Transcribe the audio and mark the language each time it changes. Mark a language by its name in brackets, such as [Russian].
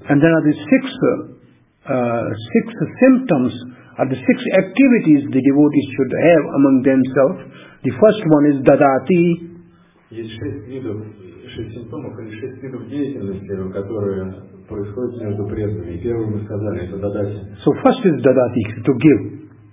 [English] And there are the six symptoms, or the six activities the devotees should have among themselves. The first one is дадати. [Russian] Есть шесть симптомов деятельности, которые происходят между преданными. Первым мы сказали, это дадати. [English] So first is дадати, to give.